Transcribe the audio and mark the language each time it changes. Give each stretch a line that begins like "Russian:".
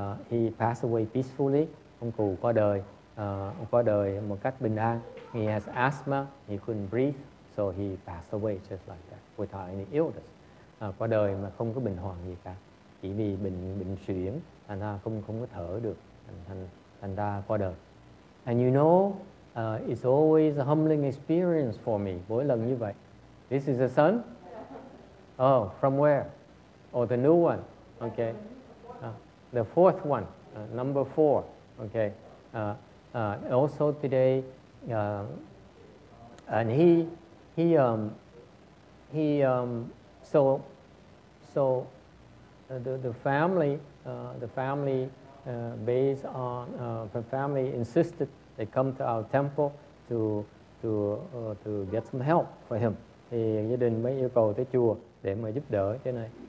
English: He passed away peacefully.
Vietnamese: Ông cụ qua đời một cách bình an.
English: He has asthma. He couldn't breathe, so he passed away just like that, without any illness.
Vietnamese: Qua đời mà không có bệnh hoạn gì cả, chỉ vì bệnh suyễn, thành ra không có thở được, thành ra qua đời.
English: And you know, it's always a humbling experience for me.
Vietnamese: Mỗi lần như vậy.
English: This is a son? Oh, from where? Oh, the new one. Okay. The fourth one, number four. Okay. Also today, and the family insisted they come to our temple to get some help for him.
Vietnamese: Thì gia đình mới yêu cầu tới chùa để mà giúp đỡ cái này.